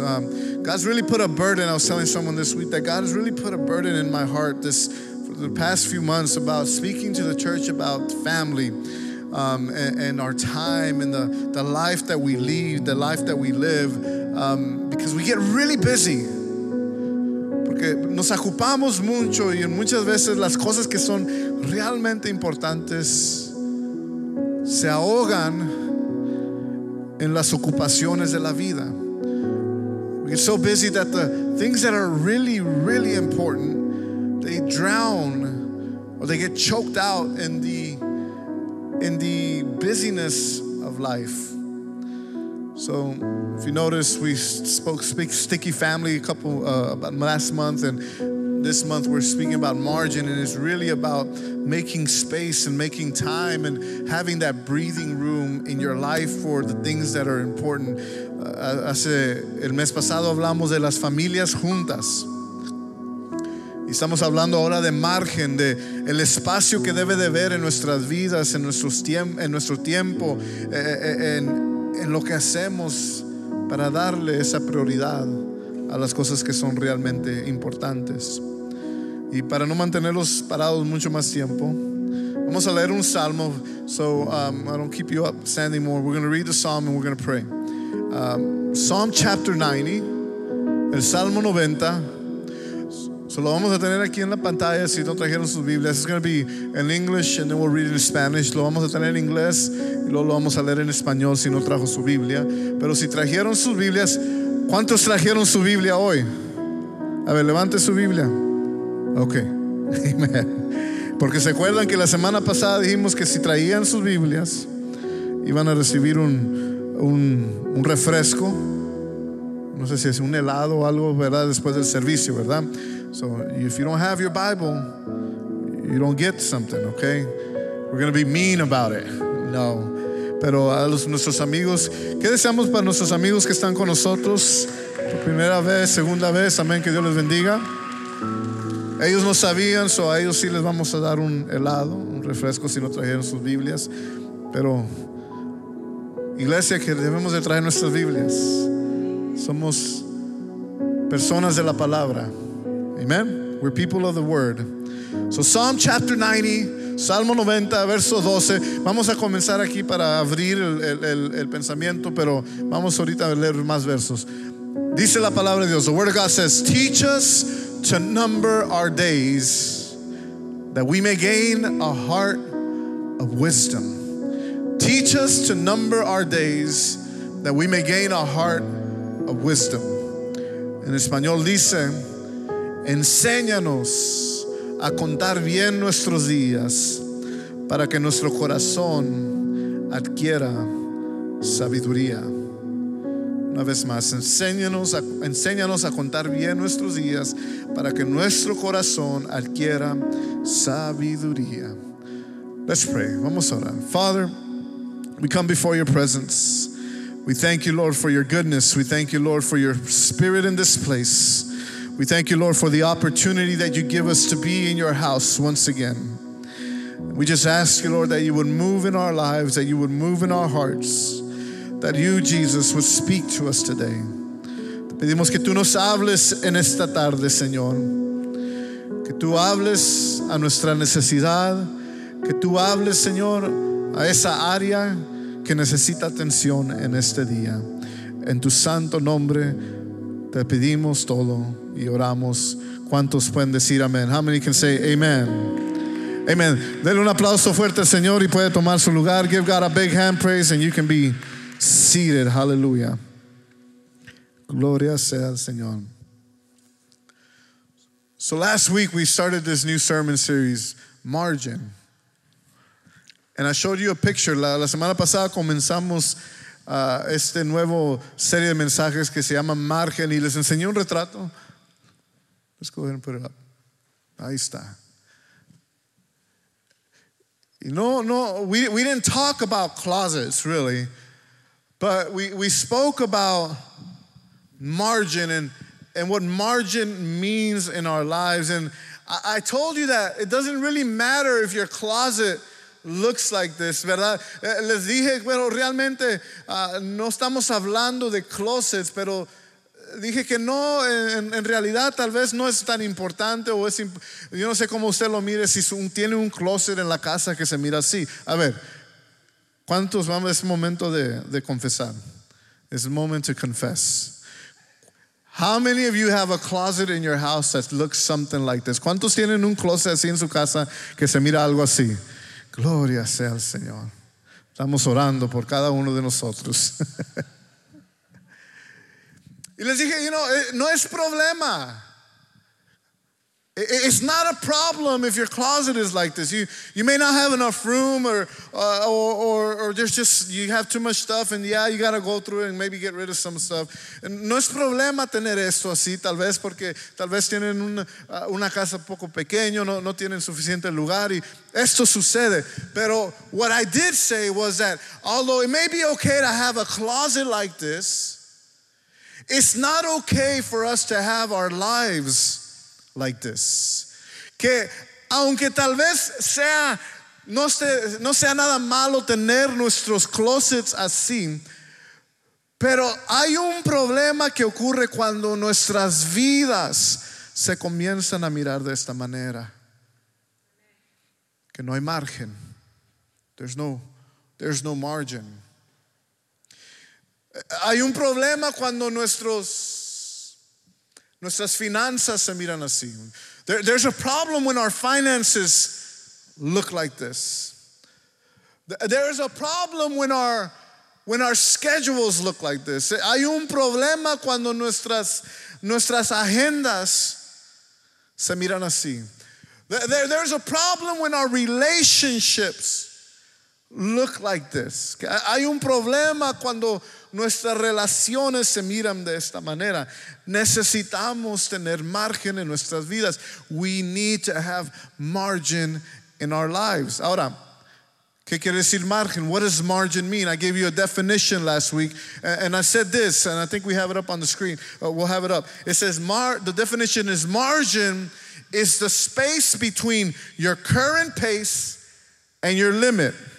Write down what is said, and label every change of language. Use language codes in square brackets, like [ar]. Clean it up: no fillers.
[en] God's really put a burden, I was telling someone this week, that God has really put a burden in my heart for the past few months about speaking to the church about family. And our time and the life that we lead, the life that we live, because we get really busy. [es] Porque nos ocupamos mucho y muchas veces las cosas que son realmente importantes se ahogan en las ocupaciones de la vida. [en] We get so busy that the things that are really, really important, they drown or they get choked out in the busyness of life. So if you notice, we speak sticky family about last month, and this month we're speaking about margin, and it's really about making space and making time and having that breathing room in your life for the things that are important. [es] Hace el mes pasado hablamos de las familias juntas. Estamos hablando ahora de margen, de el espacio que debe de haber en nuestras vidas, en nuestro tiempo, en lo que hacemos para darle esa prioridad a las cosas que son realmente importantes. Y para no mantenerlos parados mucho más tiempo, vamos a leer un salmo. [en] So I don't keep you up standing more. We're going to read the psalm and we're going to pray. Psalm chapter 90, [es] el salmo 90. So lo vamos a tener aquí en la pantalla si no trajeron sus Biblias. [en] It's going to be in English and then we'll read it in Spanish. [es] Lo vamos a tener en inglés y luego lo vamos a leer en español si no trajo su Biblia. Pero si trajeron sus Biblias, ¿cuántos trajeron su Biblia hoy? A ver, levante su Biblia. Ok. Porque se acuerdan que la semana pasada dijimos que si traían sus Biblias iban a recibir un refresco. No sé si es un helado o algo, ¿verdad? Después del servicio, ¿verdad? [en] So if you don't have your Bible, you don't get something, okay? We're going to be mean about it. No. [es] Pero a nuestros amigos, ¿qué deseamos para nuestros amigos que están con nosotros? Por primera vez, segunda vez, amén, que Dios les bendiga. Ellos no sabían, so a ellos sí les vamos a dar un helado, un refresco si no trajeron sus Biblias. Pero iglesia, que debemos de traer nuestras Biblias. Somos personas de la palabra. Amen. [en] We're people of the word. So Psalm chapter 90, [es] Salmo 90, verso 12. Vamos a comenzar aquí para abrir el pensamiento, pero vamos ahorita a leer más versos. Dice la palabra de Dios. [en] The word of God says, teach us to number our days that we may gain a heart of wisdom. Teach us to number our days that we may gain a heart of wisdom. [es] En español dice, enséñanos a contar bien nuestros días para que nuestro corazón adquiera sabiduría. Una vez más, enséñanos a contar bien nuestros días para que nuestro corazón adquiera sabiduría. [en] Let's pray. [es] Vamos a orar. [en] Father, we come before your presence. We thank you, Lord, for your goodness. We thank you, Lord, for your spirit in this place. We thank you, Lord, for the opportunity that you give us to be in your house once again. We just ask you, Lord, that you would move in our lives, that you would move in our hearts, that you, Jesus, would speak to us today. [es] Pedimos que tú nos hables en esta tarde, Señor. Que tú hables a nuestra necesidad. Que tú hables, Señor, a esa área que necesita atención en este día. En tu santo nombre te pedimos todo y oramos. ¿Cuántos pueden decir amén? [en] How many can say amen? [es] Amen. Denle un aplauso fuerte al Señor y puede tomar su lugar. [en] Give God a big hand praise and you can be seated. Hallelujah. [es] Gloria sea al Señor. [en] So last week we started this new sermon series, Margin. And I showed you a picture. [es] La semana pasada comenzamos este nuevo serie de mensajes que se llama Margin. Y les enseñé un retrato. [en] Let's go ahead and put it up. [es] Ahí está. [en] No, we didn't talk about closets really, but we spoke about margin and what margin means in our lives. And I told you that it doesn't really matter if your closet looks like this, ¿verdad? [es] Les dije, bueno, realmente no estamos hablando de closets, pero dije que no, en realidad tal vez no es tan importante o es, yo no sé cómo usted lo mire, si tiene un closet en la casa que se mira así. A ver, ¿cuántos vamos? Es momento de confesar. [en] It's moment to confess. How many of you have a closet in your house that looks something like this? [es] ¿Cuántos tienen un closet así en su casa que se mira algo así? Gloria sea al Señor. Estamos orando por cada uno de nosotros. Y les dije, [en] you know, [es] no es problema. [en] It's not a problem if your closet is like this. You may not have enough room or there's just, you have too much stuff and yeah, you got to go through it and maybe get rid of some stuff. [es] No es problema tener esto así, tal vez porque tal vez tienen una casa poco pequeño, no tienen suficiente lugar y esto sucede. [en] Pero what I did say was that although it may be okay to have a closet like this, it's not okay for us to have our lives like this. [es] Que aunque tal vez sea, no sea nada malo tener nuestros closets así, pero hay un problema que ocurre cuando nuestras vidas se comienzan a mirar de esta manera. Que no hay margen. [en] There's no margin. [es] Hay un problema cuando nuestras finanzas se miran así. [en] There's a problem when our finances look like this. There is a problem when our schedules look like this. [es] Hay un problema cuando nuestras agendas se miran así. There's a problem when our relationships look like this. Hay un problema cuando nuestras relaciones se miran de esta manera. Necesitamos tener margen en nuestras vidas. [en] We need to have margin in our lives. [es] Ahora, ¿qué quiere decir margen? [en] What does margin mean? I gave you a definition last week and I said this, and I think we have it up on the screen. We'll have it up. It says the definition is, margin is the space between your current pace and your limit.